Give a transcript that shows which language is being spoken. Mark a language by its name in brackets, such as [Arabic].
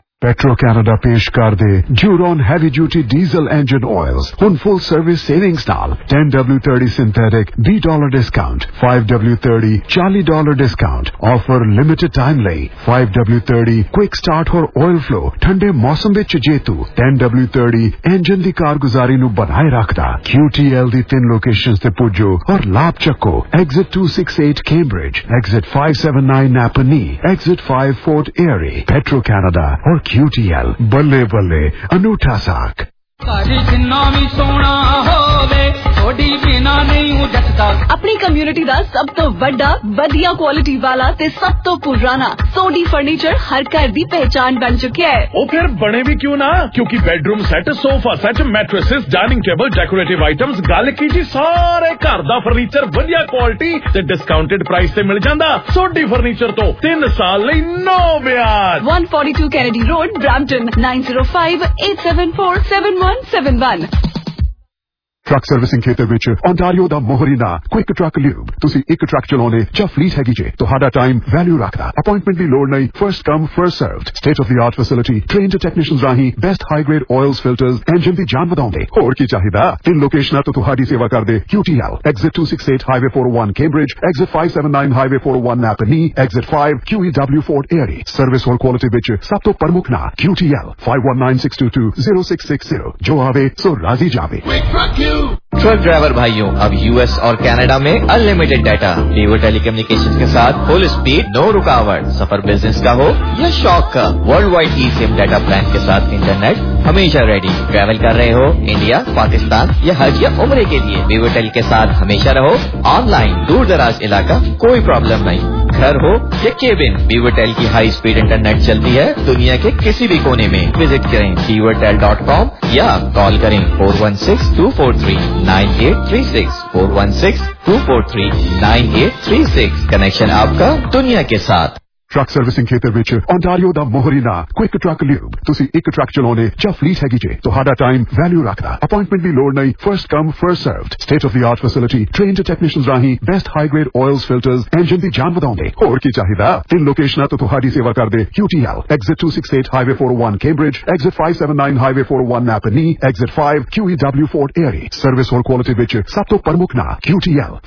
[Punjabi] Petro Canada پیش کر دے جوڈون heavy duty diesel engine oils ان full service savings نال 10W30 synthetic $20 discount, 5W30 $40 discount. Offer limited time لئی. 5W30 quick start اور oil flu ٹھنڈے موسم وچ جیتو. 10W30 engine دی کارگزاری نو بنائے رکھدا. QTL دی تین لوکیشنز تے پوجو اور لاب چکو. Exit 268 Cambridge, exit 579 ناپنی, exit 5 fort ایئری. Petro Canada اور QTL, بلے بلے انوٹھا ساک. اپنی کمیونٹی دا سب تو بڑا, ودیا کوالٹی والا تے سب تو پرانا سوڈی فرنیچر ہر گھر دی پہچان بن چکی ہے. او پھر بنے بھی کیوں نہ, کیونکہ bed room set, sofa set, matrices, dining table, decorative items, گل کیجیے سارے گھر دا فرنیچر ودیا کوالٹی تے ڈسکاؤنٹڈ پرائس تے مل جاندا. سوڈی فرنیچر تو 3 سال لئی نو بیاج. 142 Kennedy road, Brampton, 9058747471. Truck servicing کھیتر وچ اونٹاریو دا موہرینا کوئک ٹرک لیوب. تسی ایک ٹرک چلاونے جا فلیٹ ہے گیجے تو ہاڈا ٹائم ویلیو رکھدا. اپوائنٹمنٹ دی لوڑ نہیں, first come first سرووڈ. State of the art facility, trend technicians Rahi best high grade oils, filters, engine دی جان وداوندے. ہور کی چاہیدا, تین لوکیشناں تو تہاڈی سیوا کر دے. کیو ٹی ایل, ایگزٹ 268 ہائی وے 401 کیمبرج, ایگزٹ 579 ہائی وے 401 ناپنی, ایگزٹ 5 کیو ای ڈبلیو فورٹ ایئری. سروس اور کوالٹی وچ سب تو پرمکھ نام کیو T L. 5196220660. جو آوے سو راضی جاوے. [Urdu] ٹرک ڈرائیور بھائیوں, اب یو ایس اور کینیڈا میں انلمیٹڈ ڈیٹا, ویور ٹیلی کمیونیکیشن کے ساتھ فل اسپیڈ, نو رکاوٹ. سفر بزنس کا ہو یا شوق کا, ورلڈ وائڈ ای سیم ڈیٹا پلان کے ساتھ انٹرنیٹ ہمیشہ ریڈی. ٹریول کر رہے ہو انڈیا, پاکستان یا حج یا عمرے کے لیے, ویور ٹیل کے ساتھ ہمیشہ رہو آن لائن. دور دراز علاقہ کوئی پرابلم نہیں, گھر ہو یا کیبن, ویور ٹیل کی ہائی اسپیڈ انٹرنیٹ چلتی ہے دنیا کے کسی بھی کونے میں. وزٹ کریں viewertel.com یا کال کریں 416-243-9836. کنیکشن آپ کا دنیا کے ساتھ. [Punjabi] ٹرک سروسنگ کھیتر وچ اونٹاریو دا موہرینا کوئک ٹرک لیوب. تسی ایک ٹرک چلاونے جا فلیٹ ہے گیجے تو ہاڈا ٹائم ویلیو رکھدا. اپوائنٹمنٹ دی لوڑ نہیں, first come first سرووڈ. State of the art facility, trend technicians Rahi best high grade oils, filters, engine دی جان وداوندے. ہور کی چاہیدا, تین لوکیشناں تو تہاڈی سیوا کر دے. کیو ٹی ایل, ایگزٹ 268 ہائی وے 401 کیمبرج, ایگزٹ 579 ہائی وے 401 ناپنی, ایگزٹ 5 کیو ای ڈبلیو فورٹ ایئری. سروس اور کوالٹی وچ سب تو پرمکھ نام کیو T L.